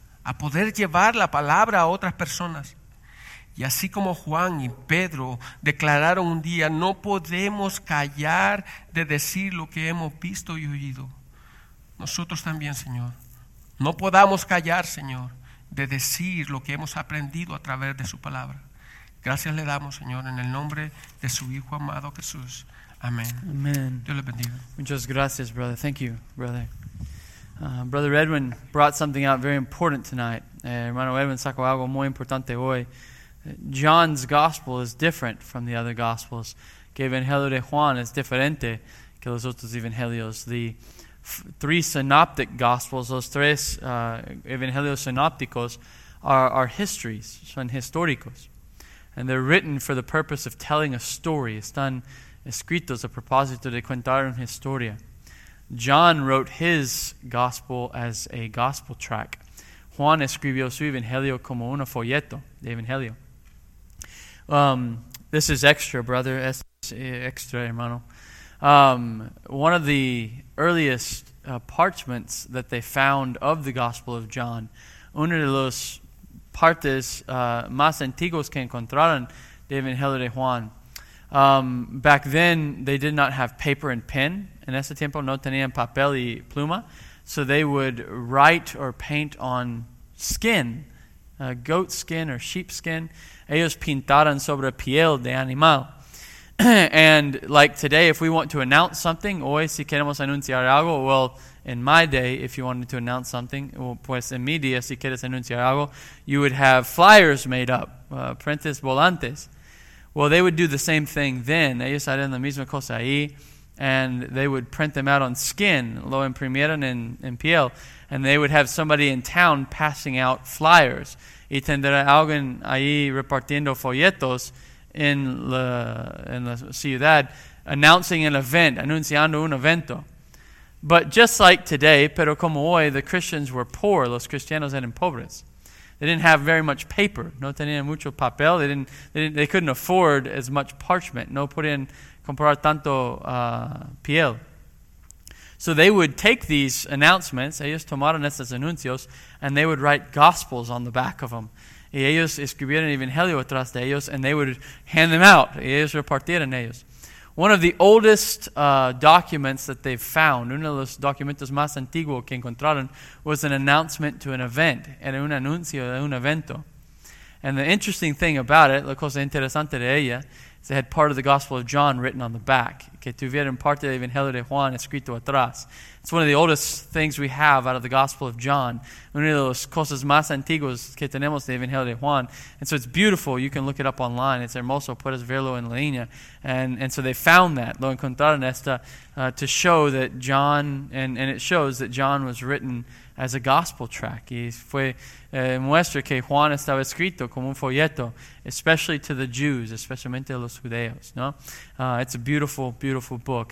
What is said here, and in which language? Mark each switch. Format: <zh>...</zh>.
<es>A poder llevar la palabra a otras personas. Y así como Juan y Pedro declararon un día, no podemos callar de decir lo que hemos visto y oído. Nosotros también, Señor, no podamos callar, Señor, de decir lo que hemos aprendido a través de su palabra. Gracias le damos, Señor, en el nombre de su Hijo amado Jesús. Amén.</es> <en>Amen.</en> <es>Dios le bendiga. Muchas gracias,</es> <en>brother. Thank you, brother. Brother Edwin brought something out very important tonight.</en> <es>Hermano Edwin sacó algo muy importante hoy.</es> <en>John's gospel is different from the other gospels.</en> <es>Que el Evangelio de Juan es diferente que los otros evangelios.</es> <en>The three synoptic gospels, those</en> <es>tres evangelios sinópticos,</es> <en>are histories,</en> <es>son históricos.</es> <en>And they're written for the purpose of telling a story.</en> <es>Están escritos a propósito de contar una historia.</es> <en>John wrote his gospel as a gospel track.</en> <es>Juan escribió su evangelio como un folleto de evangelio.</es> <en>This is extra, brother.</en> <es>Es extra, hermano.</es> <en>One of the earliest parchments that they found of the Gospel of John,</en> <es>uno de los partes más antiguos que encontraron de Evangelio de Juan.</es> <en>Back then, they did not have paper and pen.</en> <es>En ese tiempo, no tenían papel y pluma.</es> <en>So they would write or paint on skin, goat skin or sheep skin.</en> <es>Ellos pintaron sobre piel de animal.</es> <en>And like today, if we want to announce something,</en> <es>hoy si queremos anunciar algo,</es> <en>well, in my day, if you wanted to announce something, well,</en> <es>pues en mi día, si quieres anunciar algo,</es> <en>you would have flyers made up,</en> <es>prentes volantes.</es> <en>Well, they would do the same thing then.</en> <es>Ellos harían la misma cosa ahí.</es> <en>and they would print them out on skin,</en> <es>lo imprimieron en piel,</es> <en>and they would have somebody in town passing out flyers.</en> <es>Y tendrá alguien ahí repartiendo folletos en la ciudad,</es> <en>announcing an event,</en> <es>anunciando un evento.</es> <en>But just like today,</en> <es>pero como hoy,</es> <en>the Christians were poor,</en> <es>los cristianos eran pobres.</es> <en>They didn't have very much paper.</en> <es>No tenían mucho papel.</es> <en>They couldn't afford as much parchment.</en> <es>No podían comprar tanto piel.</es> <en>So they would take these announcements,</en> <es>ellos tomaron estos anuncios,</es> <en>and they would write gospels on the back of them.</en> <es>Y ellos escribieron evangelio atrás de ellos,</es> <en>and they would hand them out.</en> <es>Y ellos repartieron ellos.</es> <en>One of the oldest documents that they've found,</en> <es>uno de los documentos más antiguos que encontraron,</es> <en>was an announcement to an event,</en> <es>era un anuncio de un evento.</es> <en>And the interesting thing about it,</en> <es>la cosa interesante de ella,</es> <en>is they had part of the Gospel of John written on the back,</en> <es>que tuvieron parte del Evangelio de Juan escrito atrás.</es> <en>It's one of the oldest things we have out of the Gospel of John,</en> <es>una de las cosas más antiguas que tenemos del Evangelio de Juan.</es> <en>And so it's beautiful. You can look it up online. It's</en> <es>hermoso. Puedes verlo en línea.</es> <en>And so they found that.</en> <es>Lo encontraron esta</es> <en>to show that John, and it shows that John was written as a gospel tract.</en> <es>Y fue muestra que Juan estaba escrito como un folleto,</es> <en>especially to the Jews,</en> <es>especialmente los judeos.</es> <en>No, it's a beautiful, beautiful book.</en>